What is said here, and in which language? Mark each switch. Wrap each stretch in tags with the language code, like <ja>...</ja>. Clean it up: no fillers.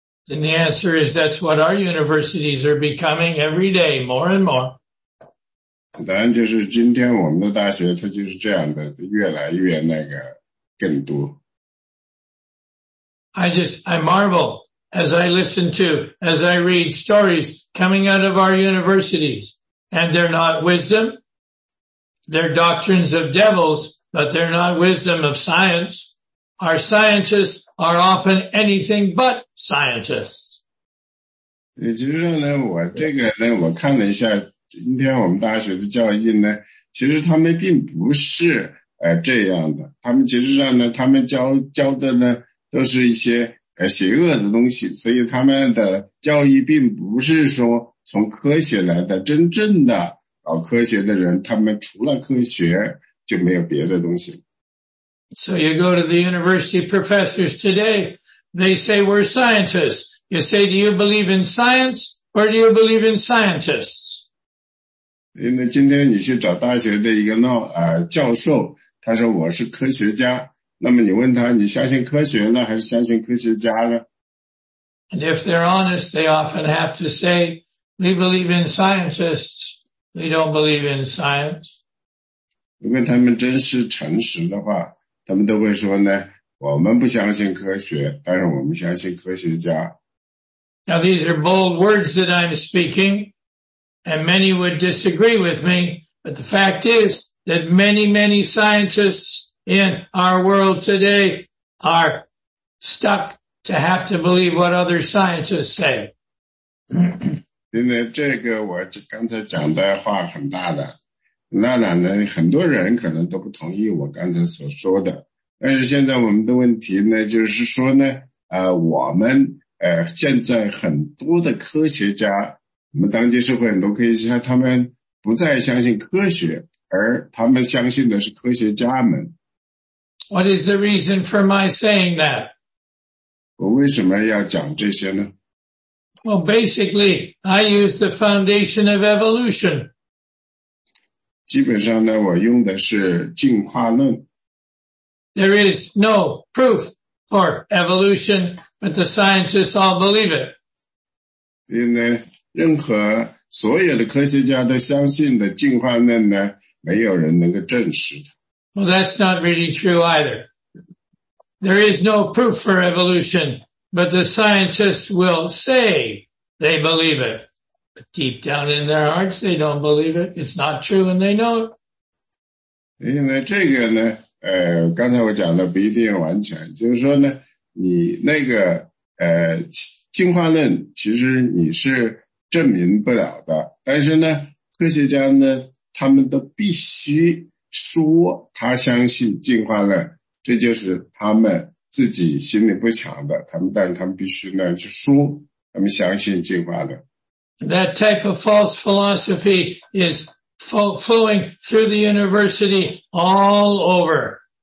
<en>And the answer is that's what our universities are becoming every day, more and more.</en> <zh>答案就是今天我们的大学它就是这样的，越来越那个更多。</zh> <en>I marvel as I listen to, as I read stories coming out of our universities, and they're not wisdom, they're doctrines of devils, but they're not wisdom of science. Our scientists are often anything but scientists.</en> <zh>也就是说呢，我这个呢，我看了一下今天我们大学的教育呢，其实他们并不是这样的，他们其实上呢，他们教的呢都是一些邪恶的东西，所以他们的教育并不是说从科学来的，真正的搞科学的人，他们除了科学就没有别的东西。</zh> <en>So you go to the university professors today, they say we're scientists. You say, do you believe in science or do you believe in scientists?</en> <zh>因为今天你去找大学的一个教授，他说我是科学家。那么你问他，你相信科学呢，还是相信科学家呢？</zh> <en>And if they're honest, they often have to say, we believe in scientists, we don't believe in science.</en> <zh>如果他们真是诚实的话，他们都会说呢，我们不相信科学，但是我们相信科学家。</zh> <en>Now these are bold words that I'm speaking, and many would disagree with me, but the fact is that many, many scientists in our world today are stuck to have to believe what other scientists say.</en> <zh>现在这个我刚才讲的话很大的。那然呢，很多人可能都不同意我刚才所说的。但是现在我们的问题呢，就是说呢，我们现在很多的科学家，我们当今社会很多科学家，他们不再相信科学，而他们相信的是科学家们。</zh> <en>What is the reason for my saying that?</en> <zh>我为什么要讲这些呢？</zh> <en>Well, basically, I use the foundation of evolution.</en> <zh>基本上呢，我用的是进化论。</zh> <en>There is no proof for evolution, but the scientists all believe it.</en> <zh>因为任何所有的科学家都相信的进化论呢，没有人能够证实的。</zh> <en>Well, that's not really true either. There is no proof for evolution, but the scientists will say they believe it. Deep down in their hearts, they don't believe it. It's not true, and they know it.</en> <zh>因为这个呢，刚才我讲的不一定完全，就是说呢，你那个进化论其实你是证明不了的。但是呢，科学家呢，他们都必须说他相信进化论，这就是他们自己心里不想的。但是他们必须呢去说，他们相信进化论。</zh> <en>That type of false philosophy is flowing through the university all over.</en>